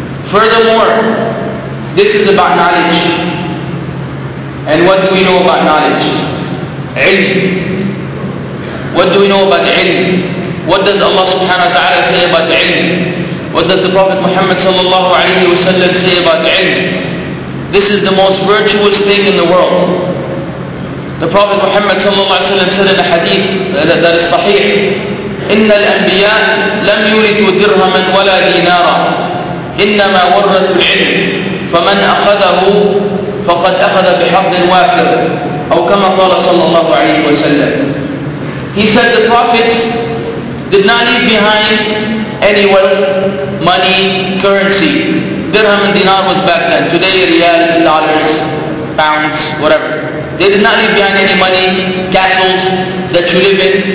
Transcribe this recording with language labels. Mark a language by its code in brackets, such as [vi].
[en] Furthermore, this is about knowledge. And what do we know about knowledge? Ilm. What do we know about ilm? What does Allah subhanahu wa ta'ala say about ilm? What does the Prophet Muhammad sallallahu alayhi wa sallam say about ilm? This is the most virtuous thing in the world. The Prophet Muhammad sallallahu alayhi wa sallam said in a hadith that is sahih, [ar] إِنَّ الْأَنْبِيَاءِ لَمْ يُرِثُوا دِرْهَمًا وَلَا دِينَارًا إِنَّمَا وَرَّثُوا الْعِلْمِ فَمَنْ أَخَذَهُ فَقَدْ أَخَذَ بِحَقٍ وَافِرٍ أو كما قال صلى الله عليه وسلم. [en] He said the prophets did not leave behind any wealth, money, currency. Dirham and dinar was back then. Today, riyal, dollars, pounds, whatever. They did not leave behind any money, castles that you live in.